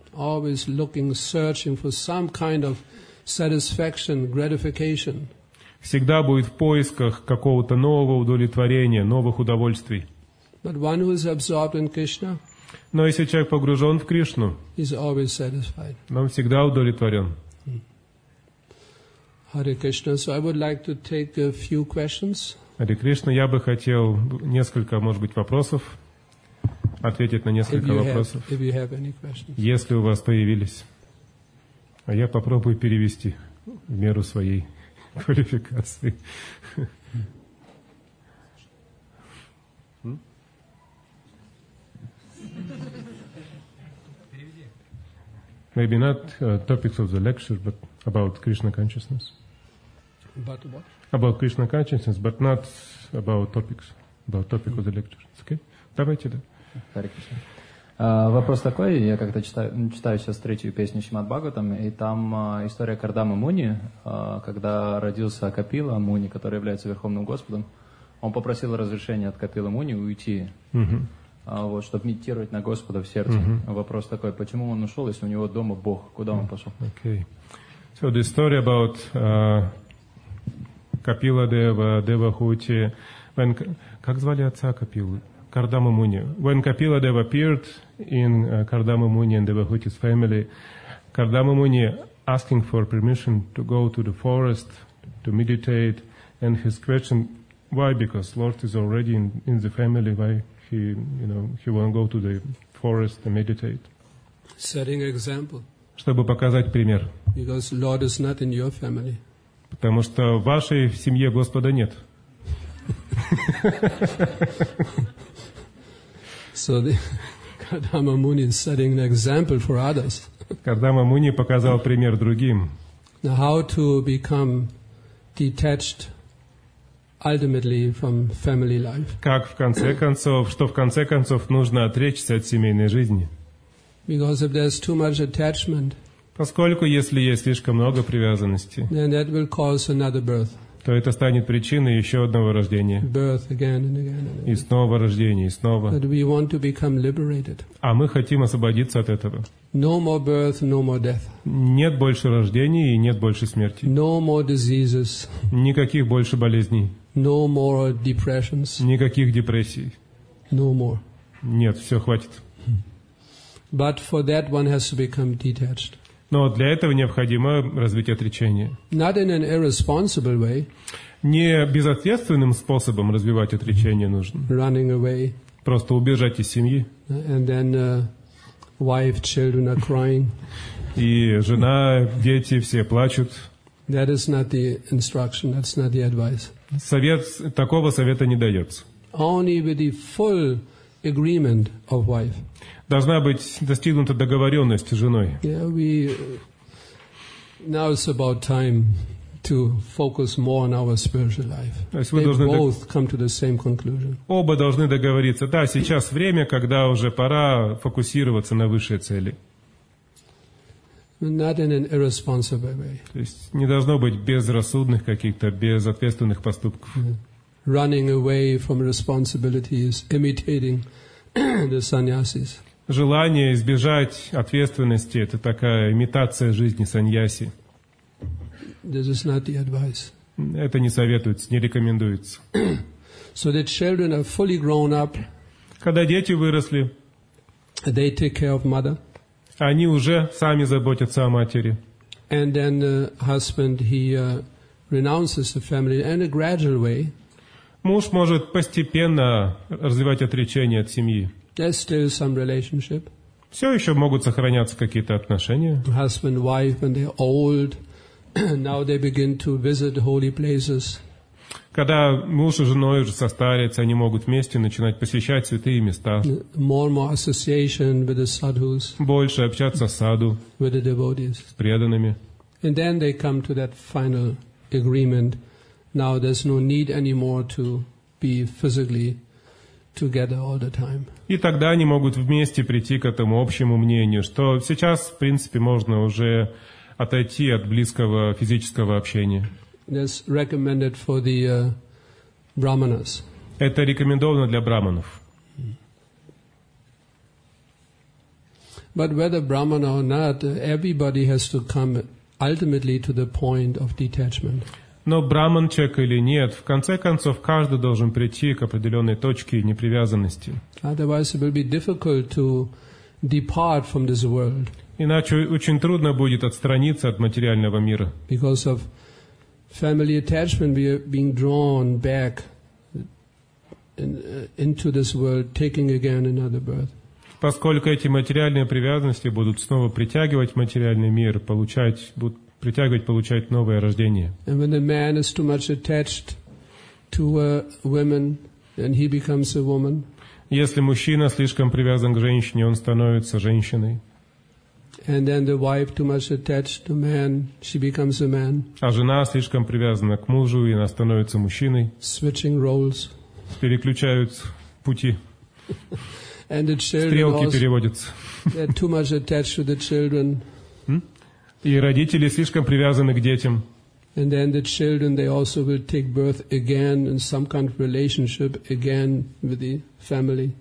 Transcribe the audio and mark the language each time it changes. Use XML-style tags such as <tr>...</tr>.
<en>Always looking, searching for some kind of satisfaction, gratification.</en> <ru>Всегда будет в поисках какого-то нового удовлетворения, новых удовольствий.</ru> <en>But one who is absorbed in Krishna,</en> <ru>но если человек погружен в Кришну, он всегда удовлетворен.</ru> <en>Hare Krishna. So I would like to take a few questions.</en> <ru>Hare Krishna, я бы хотел несколько, может быть, вопросов, ответить на несколько вопросов.</ru> <en>If you have any questions.</en> <ru>Если у вас появились. А я попробую перевести в меру своей квалификации.</ru> <en>Maybe not topics of the lecture, but about Krishna consciousness. About what? About Krishna consciousness, but not about topics, about topic of the lecture.</en> <ru>Okay? Давайте, да. Hare Krishna. Вопрос такой, я как-то читаю сейчас третью песню Шримад Бхагаватам, и там история Кардама Муни, когда родился Капила Муни, который является Верховным Господом, он попросил разрешения от Капила Муни уйти. Вот, чтобы медитировать на Господа в сердце. Mm-hmm. Вопрос такой, почему он ушел, если у него дома Бог? Куда он пошел?</ru> <en>Okay. So the story about Kapila Deva, Devahuti.</en> <ru>When, как звали отца Капилы?</ru> <en>Кардама Муни. When Kapila Deva appeared in Кардама Муни and Девахути's family, Кардама Муни asking for permission to go to the forest to meditate, and his question, why? Because Lord is already in the family, why? He, you know, he won't go to the forest and meditate. Setting example.</en> <ru>Чтобы показать пример.</ru> <en>Because Lord is not in your family.</en> <ru>Потому что в вашей семье Господа нет.</ru> <en>So the Kardama Muni is setting an example for others.</en> <ru>Кардама Муни показал пример другим.</ru> <en>Now how to become detached? Ultimately, from family life.</en> <ru>Как в конце концов, что в конце концов нужно отречься от семейной жизни?</ru> <en>Because if there's too much attachment,</en> <ru>поскольку если есть слишком много привязанности,</ru> <en>then that will cause another birth.</en> <ru>То это станет причиной еще одного рождения.</ru> <en>Birth again and again and again.</en> <ru>И снова рождение, и снова.</ru> <en>But we want to become liberated.</en> <ru>А мы хотим освободиться от этого.</ru> <en>No more birth, no more death.</en> <ru>Нет больше рождений и нет больше смерти.</ru> <en>No more diseases.</en> <ru>Никаких больше болезней.</ru> <en>No more depressions.</en> <ru>Никаких депрессий.</ru> <en>No more.</en> <ru>Нет, все, хватит.</ru> <en>But for that one has to become detached.</en> <ru>Но для этого необходимо развить отречение.</ru> <en>Not in an irresponsible way.</en> <ru>Не безответственным способом развивать отречение нужно.</ru> <en>Running away.</en> <ru>Просто убежать из семьи.</ru> <en>And then wife, children are crying.</en> <ru>И жена, дети все плачут.</ru> <en>That is not the instruction, that's not the advice.</en> <ru>Совет, такого совета не дается.</ru> <en>Only with the full agreement of wife.</en> <ru>Должна быть достигнута договоренность с женой.</ru> <en>Yeah, we, now it's about time to focus more on our spiritual life. They both come to the same conclusion.</en> <ru>Оба должны договориться. Да, сейчас время, когда уже пора фокусироваться на высшей цели.</ru> <en>Not in an irresponsible way.</en> <ru>То есть не должно быть безрассудных каких-то безответственных поступков.</ru> <en>Running away from responsibilities, imitating the sannyasis.</en> <ru>Желание избежать ответственности – это такая имитация жизни саньяси.</ru> <en>This is not the advice.</en> <ru>Это не советуется, не рекомендуется.</ru> <en>So the children are fully grown up.</en> <ru>Когда дети выросли,</ru> <en>they take care of mother.</en> <ru>Они уже сами заботятся о матери.</ru> <en>And then the husband, he renounces the family in a gradual way.</en> <ru>Муж может постепенно развивать отречение от семьи.</ru> <en>There's still some relationship.</en> <ru>Все еще могут сохраняться какие-то отношения.</ru> <en>Husband, wife, when they're old, now they begin to visit holy places.</en> <ru>Когда муж и жена уже состарятся, они могут вместе начинать посещать святые места.</ru> <en>More and more association with the sadhus.</en> <ru>Больше общаться с саду.</ru> <en>With the devotees.</en> <ru>С преданными.</ru> <en>And then they come to that final agreement. Now there's no need anymore to be physically together all the time.</en> <ru>И тогда они могут вместе прийти к этому общему мнению, что сейчас, в принципе, можно уже отойти от близкого физического общения.</ru> <en>That's recommended for the brahmanas.</en> <ru>Это рекомендовано для брахманов.</ru> <en>But whether brahmana or not, everybody has to come ultimately to the point of detachment.</en> <ru>Но брахман человек или нет, в конце концов каждый должен прийти к определенной точке непривязанности.</ru> <en>Otherwise, it will be difficult to depart from this world.</en> <ru>Иначе очень трудно будет отстраниться от материального мира.</ru> <en>Because of family attachment, we are being drawn back into this world, taking again another birth.</en> <ru>Поскольку эти материальные привязанности будут снова притягивать материальный мир, получать новое рождение.</ru> <en>And when a man is too much attached to a woman, then he becomes a woman.</en> <ru>Если мужчина слишком привязан к женщине, он становится женщиной.</ru> <en>And then the wife too much attached to man, she becomes a man.</en> <ru>А жена слишком привязана к мужу, и она становится мужчиной.</ru> <en>Switching roles.</en> <ru>Переключаются пути.</ru> <en>And the children.</en> <ru>Стрелки переводятся.</ru> <en>They're too much attached to the children.</en> <ru>И родители слишком привязаны к детям.</ru> <en>And then the children, they also will take birth again in some kind of relationship again with the family.</en>